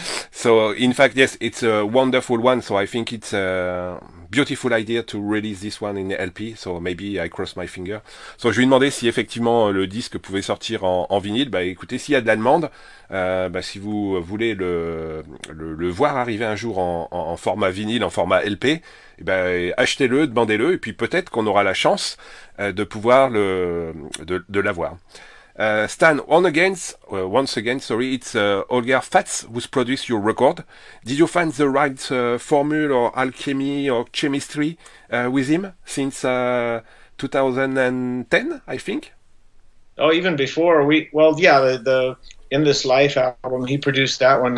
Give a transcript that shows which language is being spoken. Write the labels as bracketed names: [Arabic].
[English] So, in fact, yes, it's a wonderful one. So I think it's beautiful idea to release this one in LP, so maybe I cross my finger. [French] So je lui ai demandé si effectivement le disque pouvait sortir en vinyle. Bah écoutez, s'il y a de la demande, si vous voulez le voir arriver un jour en format vinyle, en format LP, et bah, achetez-le, demandez-le, et puis peut-être qu'on aura la chance de pouvoir de l'avoir. [English] Stan, once again, it's Olga Fats who's produced your record. Did you find the right formula or alchemy or chemistry with him since 2010, I think? Oh, even before the In This Life album, he produced that one.